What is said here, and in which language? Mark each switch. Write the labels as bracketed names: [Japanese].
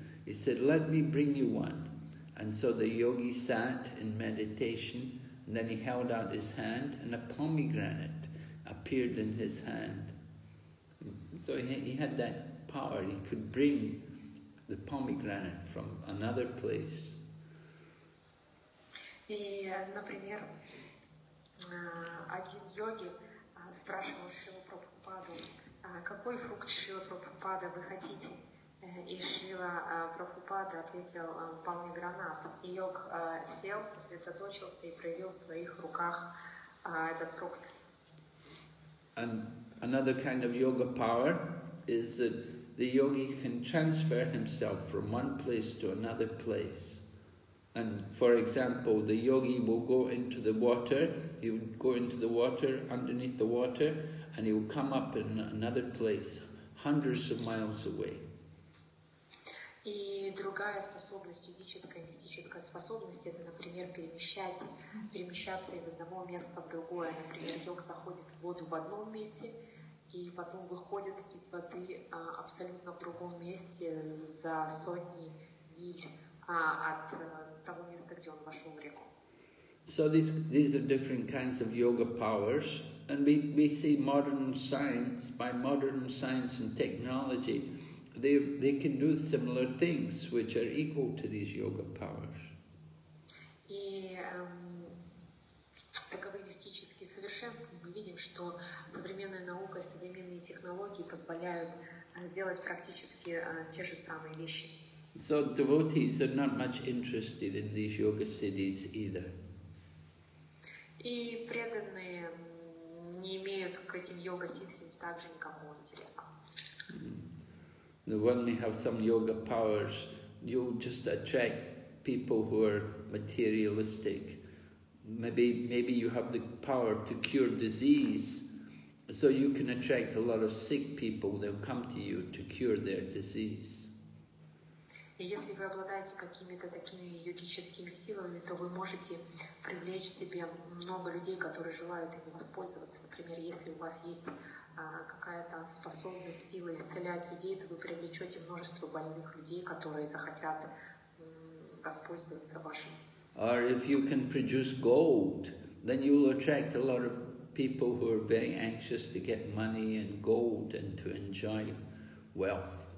[English] He said, let me bring you one. And so the yogi sat in meditation, and then he held out his hand, and a pomegranate appeared in his hand. So he had that power, he could bring the pomegranate from another place. [Russian] И, например, один йоги спрашивал Шрилу Прабхупаду, какой фрукт, Шрила Прабхупада, вы хотите? И Шрила Прабхупада ответил, pomegranate. И йог сел, сосредоточился и проявил в своих руках этот фрукт. [English] And another kind of yoga power is that the yogi can transfer himself from one place to another place. And for example, the yogi will go into the water, he will go into the water, underneath the water, and he will come up in another place, hundreds of miles away. [Russian] И другая способность, йогическая, мистическая способность, это, например, перемещаться из одного места в другое. Например, йог заходит в воду в одном месте, и потом выходит из воды абсолютно в другом месте за сотни миль от того места, где он вошел в реку. [English] So these are different kinds of yoga powers. And we see modern science, by modern science and technology, they can do similar things which are equal to these yoga powers. [Russian] И таковы мистические совершенства. Мы видим, что современная наука и современные технологии позволяют сделать практически те же самые вещи. [English] So devotees are not much interested in these yoga cities either. [Russian] И преданные не имеют к этим йога ситхам также никакого интереса. [English] When they have some yoga powers, you just attract people who are materialistic. Maybe you have the power to cure disease, so you can attract a lot of sick people. They'll come to you to cure their disease. [Russian] И если вы обладаете какими-то такими йогическими силами, то вы можете привлечь себе много людей, которые желают ими воспользоваться. Например, если у вас есть какая-то способность, сила исцелять людей, то вы привлечете множество больных людей, которые захотят воспользоваться вашим. [English] Or if you can produce gold, then you will attract a lot of people who are very anxious to get money and gold and to enjoy wealth.